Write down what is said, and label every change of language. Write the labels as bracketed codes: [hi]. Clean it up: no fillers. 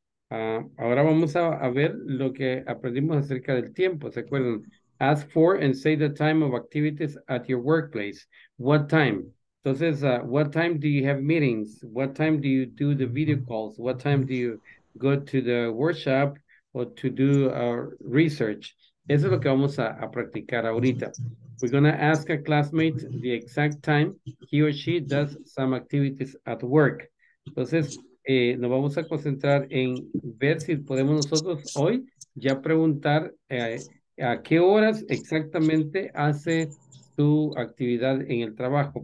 [es] Ahora vamos a ver lo que aprendimos acerca del tiempo. ¿Se acuerdan? [en] Ask for and say the time of activities at your workplace. What time? Entonces, what time do you have meetings? What time do you do the video calls? What time do you go to the workshop or to do research? [es] Eso es lo que vamos a practicar ahorita. [en] We're going to ask a classmate the exact time he or she does some activities at work. [es] Entonces, nos vamos a concentrar en ver si podemos nosotros hoy ya preguntar a qué horas exactamente hace tu actividad en el trabajo.